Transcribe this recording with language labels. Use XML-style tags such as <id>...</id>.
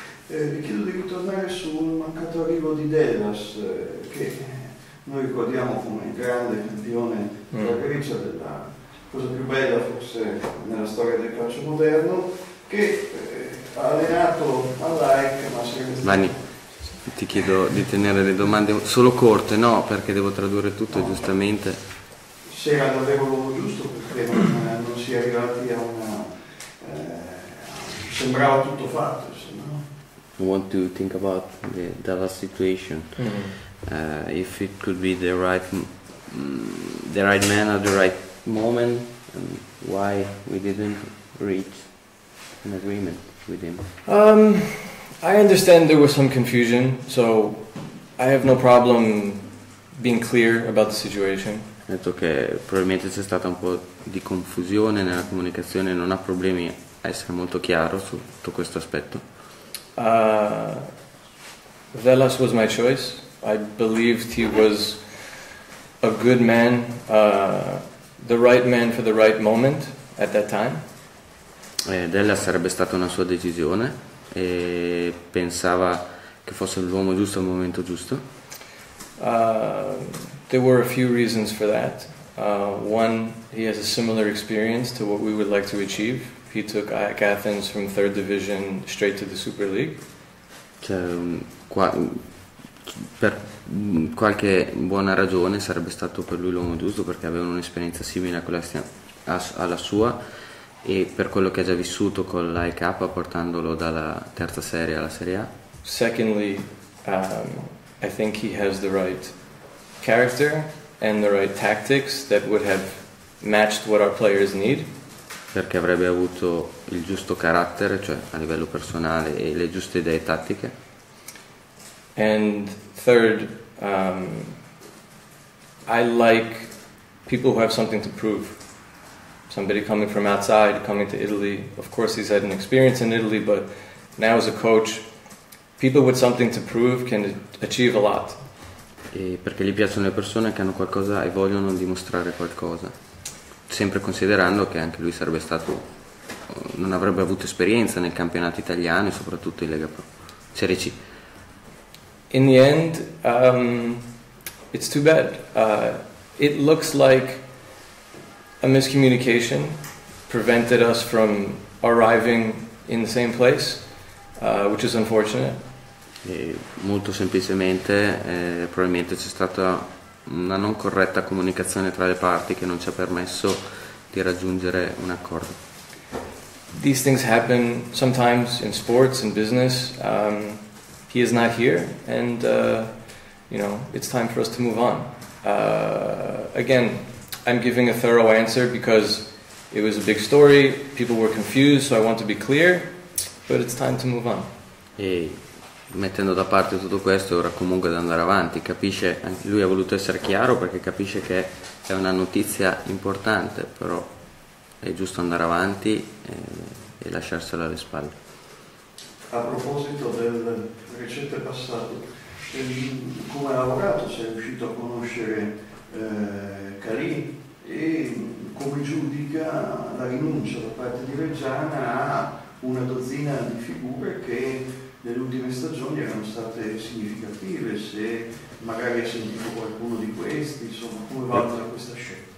<it>Vi chiedo di ritornare sul mancato arrivo di Delas, che noi ricordiamo come grande campione della Grecia, della cosa più bella forse nella storia del calcio moderno, che ha allenato all'AEK, ma si è restato. Vani, ti chiedo di tenere le domande solo corte, no, perché devo tradurre tutto, no. Giustamente. Se era davvero l'uomo giusto, perché non si è arrivati a una. Sembrava tutto fatto, insomma.</it> <en>I want to think about the Dallas situation. If it could be the right man at the right moment, and why we didn't reach an agreement with him? I understand there was some confusion, so I have no problem being clear about the situation.</en> <it>Detto che probabilmente c'è stata un po' di confusione nella comunicazione, non ha problemi a essere molto chiaro su tutto questo aspetto.</it> <en>Velas was my choice. I believed he was a good man, the right man for the right moment at that time.</en> <it>Della sarebbe stata una sua decisione e pensava che fosse l'uomo giusto al momento giusto.</it> <en>There were a few reasons for that. One, he has a similar experience to what we would like to achieve he took AEK Athens from third division straight to the Super League.</en> <it>Cioè, per qualche buona ragione sarebbe stato per lui l'uomo giusto, perché avevano un'esperienza simile a quella alla sua, e per quello che ha già vissuto con l'AEK portandolo dalla terza serie alla Serie A.</it> <en>Secondly, I think he has the right character and the right tactics that would have matched what our players need.</en> <it>Perché avrebbe avuto il giusto carattere, cioè a livello personale, e le giuste idee tattiche.</it> <en>And third, I like people who have something to prove. Somebody coming from outside, coming to Italy. Of course, he's had an experience in Italy, but now as a coach, people with something to prove can achieve a lot.</en> <it>E perché gli piacciono le persone che hanno qualcosa e vogliono dimostrare qualcosa. Sempre considerando che anche lui sarebbe stato, non avrebbe avuto esperienza nel campionato italiano e soprattutto in Lega Pro, Serie C.</it> <en>In the end, it's too bad. It looks like a miscommunication prevented us from arriving in the same place, which is unfortunate.</en> <it>E molto semplicemente, probabilmente c'è stata una non corretta comunicazione tra le parti che non ci ha permesso di raggiungere un accordo.</it> <en>These things happen sometimes in sports, in business. He is not here, and you know, it's time for us to move on. Again, I'm giving a thorough answer because it was a big story, people were confused, so I want to be clear, but it's time to move on. Hey.</en> <it>Mettendo da parte tutto questo, ora comunque da andare avanti, capisce, anche lui ha voluto essere chiaro perché capisce che è una notizia importante, però è giusto andare avanti e lasciarsela alle spalle. A proposito del recente passato, come ha lavorato, si è riuscito a conoscere Carin e come giudica la rinuncia da parte di Reggiana a una dozzina di figure che nelle ultime stagioni erano state significative, se magari ha sentito qualcuno di questi, insomma, come valuta questa scelta?</it>